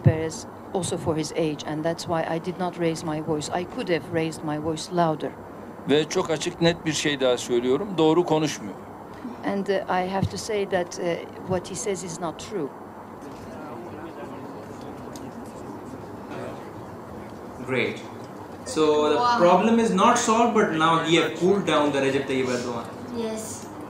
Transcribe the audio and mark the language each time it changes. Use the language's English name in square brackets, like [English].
[English] Perez, also for his age, and that's why I did not raise my voice. I could have raised my voice louder. [Turkish] Ve çok açık, net bir şey daha söylüyorum. Doğru konuşmuyor. [English] And I have to say that what he says is not true. Great. So the problem is not solved, but now he has cooled down the Recep Tayyip Erdogan. Yes.